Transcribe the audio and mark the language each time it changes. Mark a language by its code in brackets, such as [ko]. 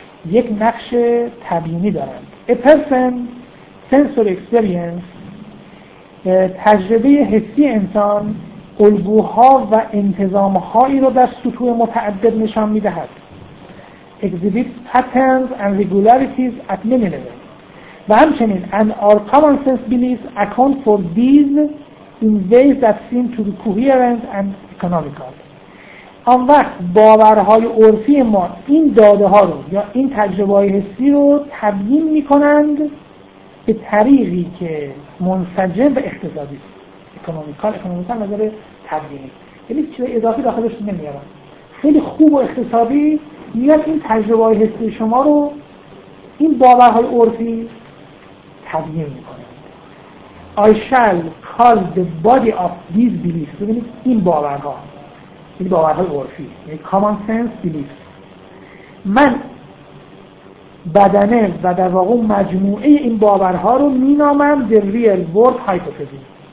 [fa] یک نقش تبیینی دارند. [en] A person sensory experience، [fa] تجربه حسی انسان الگوها و انتظامهایی رو در سطوح متعدد نشان میدهد. [en] Exhibit patterns and regularities at many levels. [fa] و همچنین [en] and our common sense beliefs account for these in ways that seem to be coherent and economical. [fa] آن وقت باورهای عرفی ما این داده ها رو یا این تجربه های حسی رو تبیین میکنند به طریقی که منسجم و اقتصادی است. اکونومیکال نظر تبیینی، یعنی چیزای اضافی داخلش نمیارن، خیلی خوب و اقتصادی میاد این تجربه های حسی شما رو این باورهای عرفی تبیین میکنه. [en] I shall call the body of these beliefs، [fa] ببینید این باورها، این باورهای عرفی، یعنی [en] common sense beliefs، [fa] من بدنه و در واقع مجموعه این باورها رو مینامم [en] the real world hypothesis.